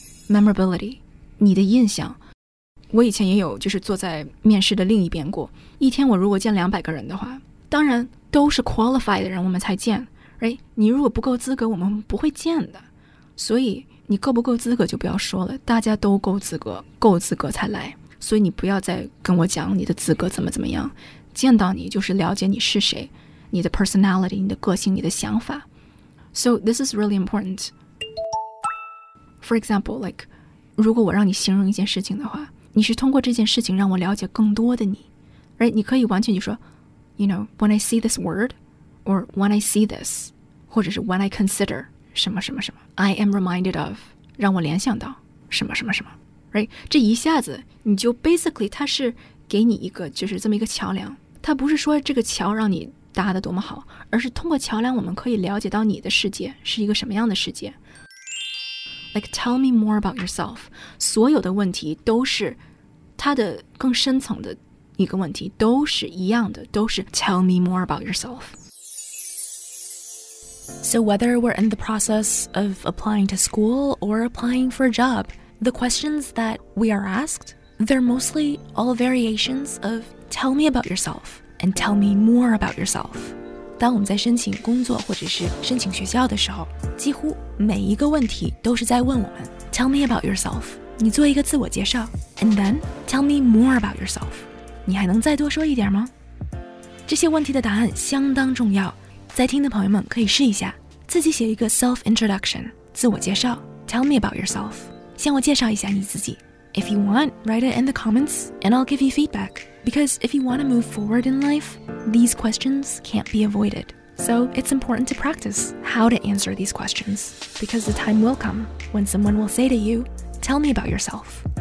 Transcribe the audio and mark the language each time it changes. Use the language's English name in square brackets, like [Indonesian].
[Chinese] memorability 你的印象，我以前也有就是坐在面试的另一边过，一天我如果见200个人的话，当然都是 qualified 的人我们才见，你如果不够资格我们不会见的，所以你够不够资格就不要说了，大家都够资格，够资格才来，所以你不要再跟我讲你的资格怎么怎么样，见到你就是了解你是谁，你的 personality， 你的个性，你的想法。 [English] So this is really important. For example, like [Chinese] 如果我让你形容一件事情的话，你是通过这件事情让我了解更多的你， right? 你可以完全就说 [English] you know, when I see this [Chinese] word or when I see this 或者是 [English] when I consider [Chinese] 什么什么什么， [English] I am reminded of， [Chinese] 让我联想到什么什么什么，right? 这一下子你就 basically 它是给你一个就是这么一个桥梁，它不是说这个桥让你搭得多么好，而是通过桥梁我们可以了解到你的世界是一个什么样的世界。 [English] Like tell me more about yourself， [Chinese] 所有的问题都是它的更深层的一个问题，都是一样的，都是 [English] tell me more about yourself。 So whether we're in the process of applying to school or applying for a jobThe questions that we are asked, they're mostly all variations of tell me about yourself and tell me more about yourself. [Chinese] 当我们在申请工作或者是申请学校的时候，几乎每一个问题都是在问我们 [English] tell me about yourself, [Chinese] 你做一个自我介绍 [English] and then tell me more about yourself, [Chinese] 你还能再多说一点吗？这些问题的答案相当重要，在听的朋友们可以试一下，自己写一个 self-introduction, 自我介绍 [English] tell me about yourself, [Chinese] 向我介绍一下你自己。 [English] If you want, write it in the comments, and I'll give you feedback. Because if you want to move forward in life, these questions can't be avoided. So it's important to practice how to answer these questions. Because the time will come when someone will say to you, tell me about yourself.